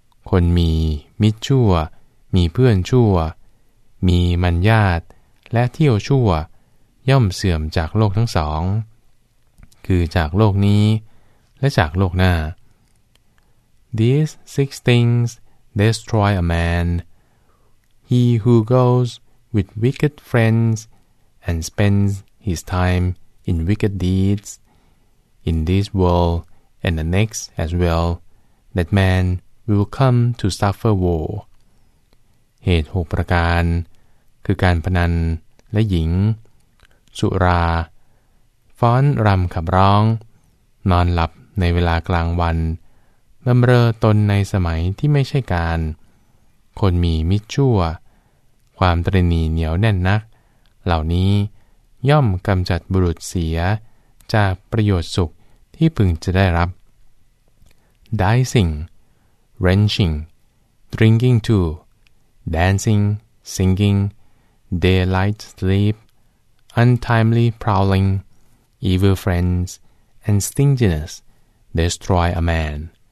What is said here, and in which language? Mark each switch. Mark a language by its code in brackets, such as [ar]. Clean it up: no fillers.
[th] คนมีมิตรชั่วมีเพื่อนชั่วมีมัญญาตและเที่ยวชั่วย่อมเสื่อมจากโลกทั้งสองคือจากโลกนี้และจากโลกหน้า [en] These six things destroy a man. He who goes with wicked friends and spends his timein wicked deeds, in this world and the next as well, that man will come to suffer woe. [th] เหตุหกประการคือการพนันและหญิงสุราฟ้อนรำขับร้องนอนหลับในเวลากลางวันเมื่อเรอตนในสมัยที่ไม่ใช่การ คนมีมิตรชั่วความตระหนี่เหนียวแน่นนักเหล่านี้ย่อมกำจัดบุรุษเสียจากประโยชน์สุขที่พึงจะได้รับ [en] Dicing, wrenching, drinking too, dancing, singing, daylight sleep, untimely prowling, evil friends, and stinginess destroy a man.